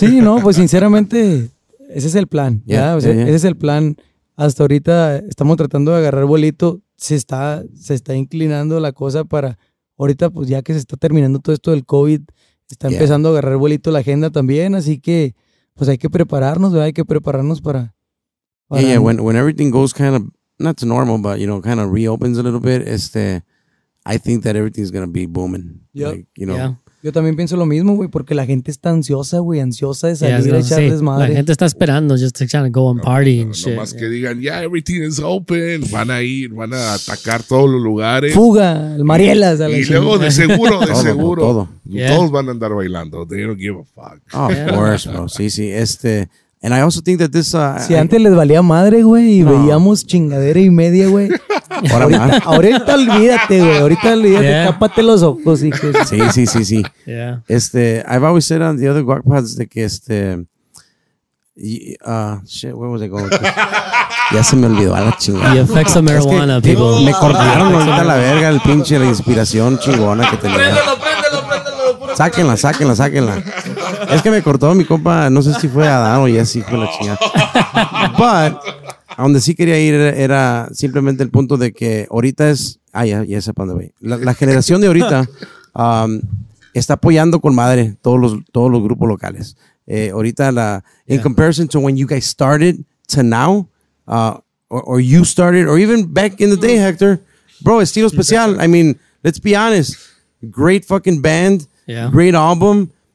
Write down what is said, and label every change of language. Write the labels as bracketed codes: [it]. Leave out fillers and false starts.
[es] Sí, no, pues sinceramente ese es el plan. Yeah, o sea, yeah, yeah. Ese es el plan. Hasta ahorita estamos tratando de agarrar vuelito. Se está inclinando la cosa para ahorita, pues ya que se está terminando todo esto del COVID, está empezando a agarrar vuelito la agenda también, así que pues hay que prepararnos, ¿verdad? Hay que prepararnos para [en] when everything goes kind of, not to normal, but you know, kind of reopens a little bit, I think that everything's gonna be booming. Yep. [es] Yo también pienso lo mismo, güey, porque la gente está ansiosa, güey, ansiosa de salir a echar desmadre. La gente está esperando [en] just to kind of go and party and shit. [es] No más que digan, [en] everything is open. [es] Van a ir, van a atacar todos los lugares. Fuga, el Marielas. Y luego, de seguro. Todos van a andar bailando. [en] They don't give a fuck. Oh, of course, bro. [es] Sí, sí. [en] And I also think that this... [es] Si antes les valía madre, güey, y veíamos chingadera y media, güey. Ahorita olvídate, güey. Ahorita olvídate. Yeah. Tápate los ojos, hijos. Sí. [en] Yeah. I've always said on the other guac pads [es] de que [en] shit, where was I going? [es] Ya se me olvidó a la chingada. [en] The effects of marijuana, people. [es] Me cortaron ahorita la verga el pinche la inspiración chingona que tenía. Préndelo. Sáquenla. Es que me cortó mi compa, no sé si fue Adán o Jesse, fue la chingada. But a donde sí quería ir era simplemente el punto de que ahorita es... ya sé para dónde voy. La generación de ahorita está apoyando con madre todos los grupos locales. [en] Ahorita, in comparison to when you guys started to now, or you started, or even back in the day, Hector, bro, Estilo Especial, I mean, let's be honest, great fucking band, great album.